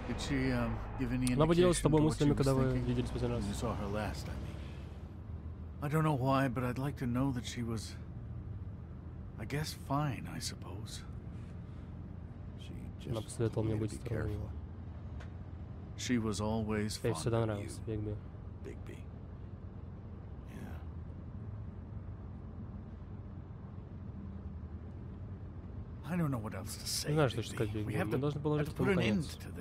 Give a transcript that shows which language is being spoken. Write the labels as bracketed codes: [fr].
[ru] Она поделилась с тобой мыслями, когда вы виделись последний раз. [en] I don't know why, but I'd like to know that she was, I guess, fine, I suppose. She [ru] Она посоветовала мне быть осторожным. [en] She was always fond of you. [ru] Ей всегда нравилась Бигби. Бигби. [en] I don't know what else to say. [ru] Знаешь, что сказать, Бигби? Мы должны были положить этому конец.